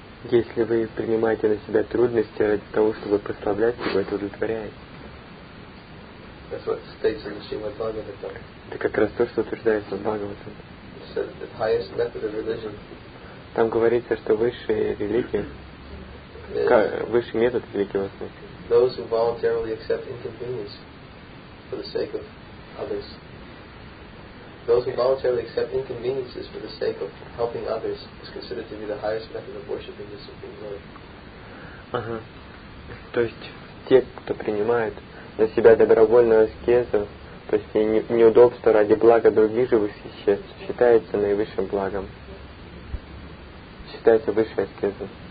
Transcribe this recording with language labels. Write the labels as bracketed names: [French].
[Russian] Если вы принимаете на себя трудности ради того, чтобы прославлять его, это удовлетворяет. Это как раз то, что утверждается в Бхагаватам. Там говорится, что высшие религии, высший метод великий восход. [English] Those who voluntarily accept inconvenience for the sake of others. Those who voluntarily accept inconveniences for the sake of helping others is considered to be the highest method of worshiping the Supreme Lord. [Russian] Ага. То есть те, кто принимает на себя добровольную аскезу, то есть неудобство ради блага других живых существ, считается наивысшим благом. Считается высшей аскезой.